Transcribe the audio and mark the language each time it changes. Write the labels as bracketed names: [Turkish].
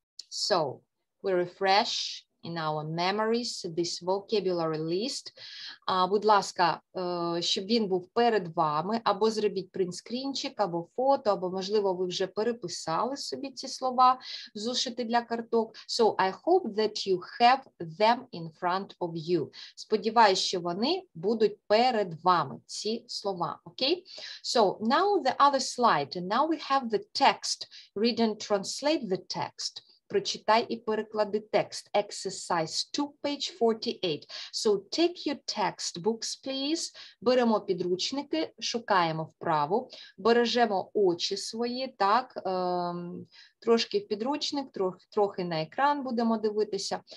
[English] So we refresh in our memories this vocabulary list. [Ukrainian] Будь ласка, щоб він був перед вами, або зробіть принтскрінчик, або фото, або можливо ви вже переписали собі ці слова, зошити для карток. [English] So I hope that you have them in front of you. [Ukrainian] Сподіваюсь, що вони будуть перед вами, ці слова, окей? [English] So now the other slide, and now we have the text. Read and translate the text. [Ukrainian] Прочитай і переклади текст. [English] Exercise 2, page 48. So take your textbooks, please. [Ukrainian] Беремо підручники, шукаємо вправу. Бережемо очі свої, так. Трошки в підручник, трохи на екран будемо дивитися.